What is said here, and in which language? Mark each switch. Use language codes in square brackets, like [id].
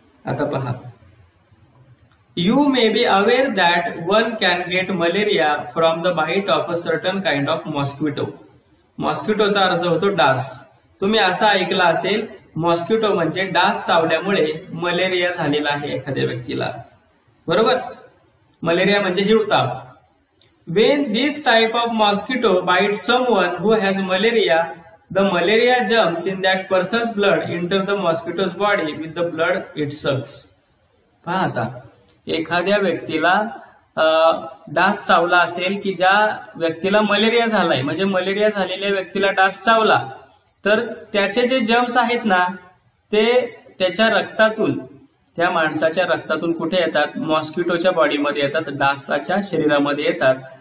[mr] आता पहा, [en] You may be aware that one can get malaria from the bite of a certain kind of mosquito. [mr] मॉस्किटोचा अर्थ होतो डास. तुम्ही असं ऐकलं असेल मॉस्किटो म्हणजे डास चावल्यामुळे मलेरिया झालेला आहे एखाद्या व्यक्तीला, बरोबर. मलेरिया म्हणजे हिवताप. [en] When this type of mosquito bite someone who has malaria, the malaria germs in that person's blood enter the mosquito's body with the blood it sucks. [mr] पहा आता एखाद्या व्यक्तीला डास चावला असेल की ज्या व्यक्तीला मलेरिया झालाय, म्हणजे मलेरिया झालेल्या व्यक्तीला डास चावला तर त्याचे जे जर्म्स आहेत ना ते त्याच्या रक्तातून, त्या माणसाच्या रक्तातून कुठे येतात, मॉस्किटोच्या बॉडीमध्ये येतात, डासाच्या शरीरामध्ये येतात.